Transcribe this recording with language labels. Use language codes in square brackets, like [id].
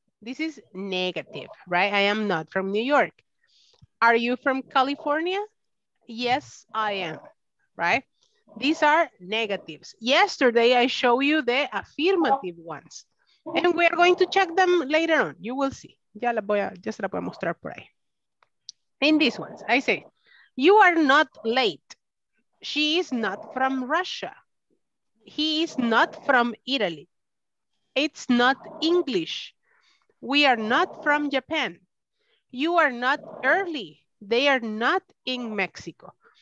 [en] This is negative, right? I am not from New York. Are you from California? Yes, I am, right? These are negatives. Yesterday, I showed you the affirmative ones. And we are going to check them later on. You will see. [es] Ya la voy a, ya se la voy a mostrar por ahí. [en] In these ones, I say, you are not late. She is not from Russia. He is not from Italy. It's not English. We are not from Japan. You are not early. They are not in Mexico.